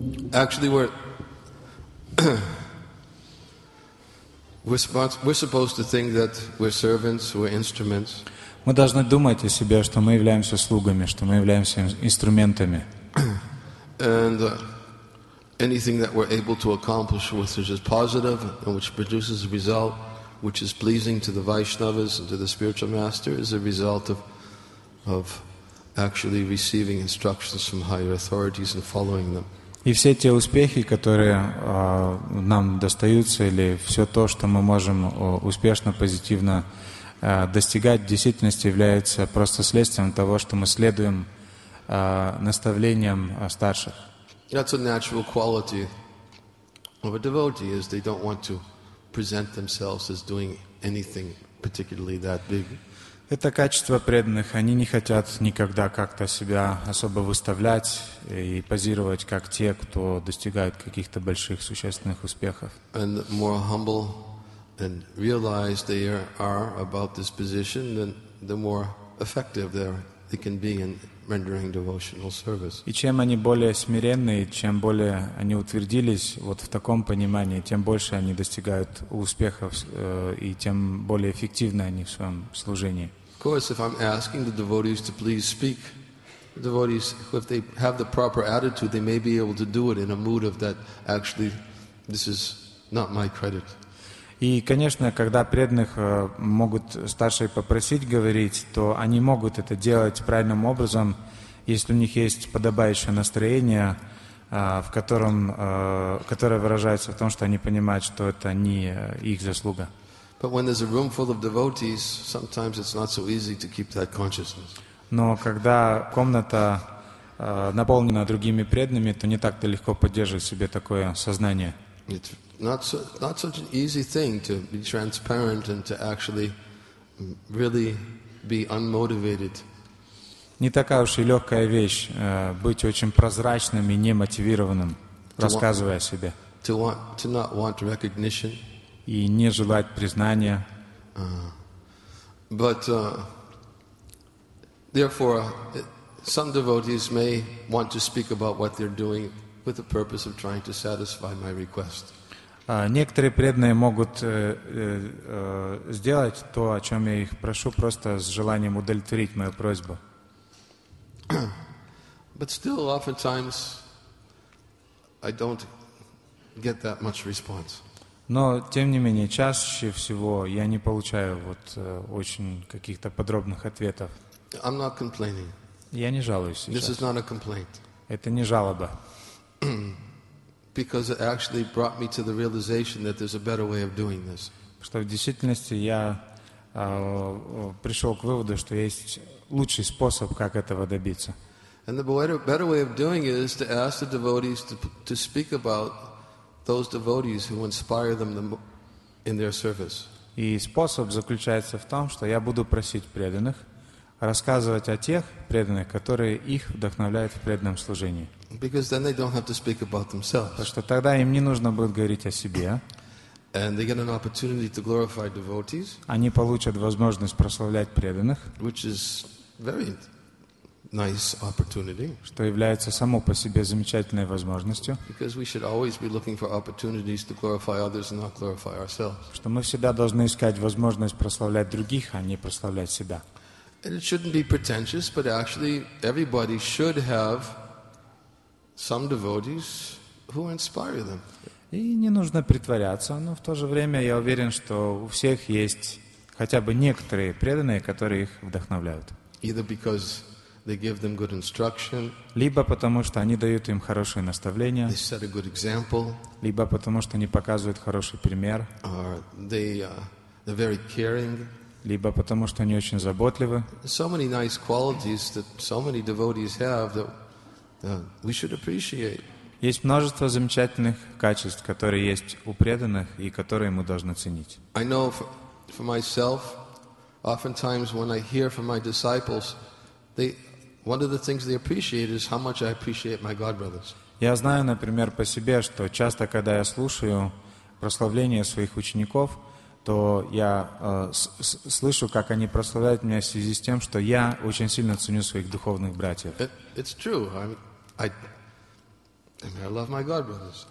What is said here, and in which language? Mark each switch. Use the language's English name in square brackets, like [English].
[English] Actually, we're supposed to think that we're servants, we're instruments. [Russian] Мы должны думать о себе, что мы являемся слугами, что мы являемся инструментами. [English] And anything that we're able to accomplish, which is positive and which produces a result, which is pleasing to the Vaishnavas and to the spiritual master, is a result of actually receiving instructions from higher authorities and following them. [Russian] И все те успехи, которые нам достаются, или все то, что мы можем успешно, позитивно достигать, в действительности является просто следствием того, что мы следуем наставлениям старших. [English] That's a natural quality of a devotee, is they don't want to present themselves as doing anything particularly that big. [Russian] Это качество преданных. Они не хотят никогда как-то себя особо выставлять и позировать как те, кто достигает каких-то больших существенных успехов. [English] And more humble and realize they are about this position, then the more effective they can be in rendering devotional service. [Russian] И чем они более смиренные, чем более они утвердились вот в таком понимании, тем больше они достигают успехов и тем более эффективны они в своем служении. [English] Of course, if I'm asking the devotees to please speak, the devotees, if they have the proper attitude, they may be able to do it in a mood of that, actually, this is not my credit. [Russian] И, конечно, когда преданных могут старшие попросить говорить, то они могут это делать правильным образом, если у них есть подобающее настроение, в котором, которое выражается в том, что они понимают, что это не их заслуга. [English] But when there's a room full of devotees, sometimes it's not so easy to keep that consciousness. [Russian] Но когда комната наполнена другими преданными, то не так-то легко поддерживать себе такое сознание. [English] It's not such an easy thing to be transparent and to actually really be unmotivated. [Russian] Не такая уж и легкая вещь быть очень прозрачным и немотивированным, рассказывая о себе. [English] To not want recognition. [Russian] И не желать признания. [English] But therefore, some devotees may want to speak about what they're doing with the purpose of trying to satisfy my request. [Russian] Некоторые преданные могут сделать то, о чем я их прошу, просто с желанием удовлетворить мою просьбу. [English] But still, oftentimes, I don't get that much response. [Russian] Но, тем не менее, чаще всего я не получаю вот очень каких-то подробных ответов. [English] I'm not complaining. [Russian] Я не жалуюсь сейчас. [English] This is not a complaint. [Russian] Это не жалоба. [English] Because it actually brought me to the realization that there's a better way of doing this. [Russian] Что в действительности я пришел к выводу, что есть лучший способ, как этого добиться. [English] And the better way of doing it is to ask the devotees to speak about those devotees who inspire them in their service. [Russian] И способ заключается в том, что я буду просить преданных рассказывать о тех преданных, которые их вдохновляют в преданном служении. [English] Because then they don't have to speak about themselves. [Russian] Потому что тогда им не нужно будет говорить о себе. [English] And they get an opportunity to glorify devotees. [Russian] Они получат возможность прославлять преданных. [English] Which is very nice opportunity. [Russian] Что является само по себе замечательной возможностью. [English] Because we should always be looking for opportunities to glorify others and not glorify ourselves. [Russian] Что мы всегда должны искать возможность прославлять других, а не прославлять себя. [English] And it shouldn't be pretentious, but actually everybody should have some devotees who inspire them. [Russian] И не нужно притворяться, но в то же время я уверен, что у всех есть хотя бы некоторые преданные, которые их вдохновляют. [English] Either because they give them good instruction. [Russian] Либо потому, что они дают им хорошие наставления. [English] They set a good example. [Russian] Либо потому, что они показывают хороший пример. [English] Or they're very caring. [Russian] Либо потому, что они очень заботливы. [English] So many nice qualities that so many devotees have that we should appreciate. [Russian] Есть множество замечательных качеств, которые есть у преданных и которые мы должны ценить. [English] I know for myself, oftentimes when I hear from my disciples, they One of the things they appreciate is how much I appreciate my God brothers. [Russian] Я знаю, например, по себе, что часто, когда я слушаю прославление своих учеников, то я слышу, как они прославляют меня в связи с тем, что я очень сильно ценю своих духовных братьев. [English] It's true. I love my God brothers.